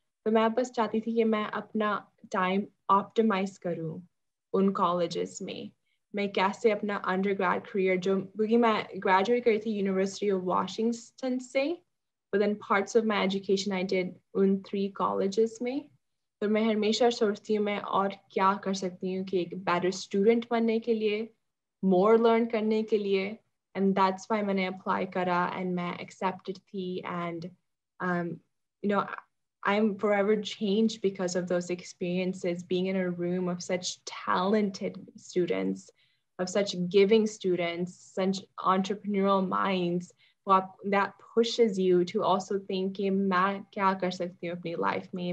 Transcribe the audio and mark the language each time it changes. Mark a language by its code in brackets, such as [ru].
[hi] तो मैं बस चाहती थी कि मैं अपना time optimize करूँ उन colleges में. मैं कैसे अपना undergrad career जो क्योंकि मैं graduate करी थी University of Washington से, [en] but then parts of my education I did [hi] उन three colleges में. तो मैं हमेशा सोचती हूँ मैं और क्या कर सकती हूँ कि एक better student बनने के लिए, more learn करने के लिए, [en] and that's why [hi] मैंने apply करा and मैं accepted थी. [en] And you know, I'm forever changed because of those experiences, being in a room of such talented students, of such giving students, such entrepreneurial minds, that pushes you to also think, [hi] मैं क्या कर सकती हूँ अपनी life में?